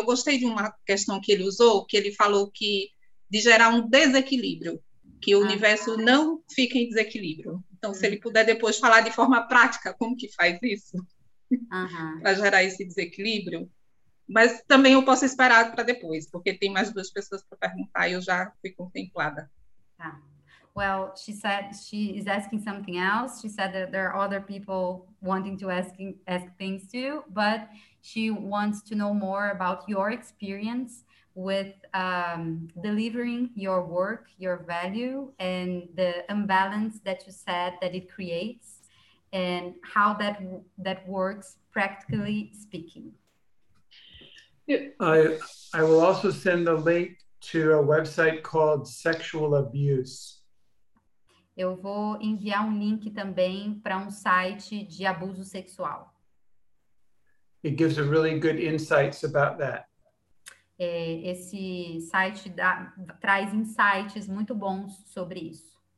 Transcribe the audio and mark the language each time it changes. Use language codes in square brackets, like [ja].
[pt] E eu gostei de uma questão que ele usou, que ele falou que de gerar um desequilíbrio, que o universo não fica em desequilíbrio. Então, se ele puder depois falar de forma prática como que faz isso, para gerar esse desequilíbrio. Mas também eu posso esperar para depois, porque tem mais duas pessoas para perguntar e eu já fui contemplada. [en] Well, she said she is asking something else. She said that there are other people wanting to ask things too, but she wants to know more about your experience with delivering your work, your value, and the imbalance that you said that it creates, and how that works practically speaking. I will also send the link to a website called Sexual Abuse. [pt] Eu vou enviar um link também para um site de abuso sexual. [en] It gives a really good insights about that. [pt] Esse site traz insights muito bons sobre isso.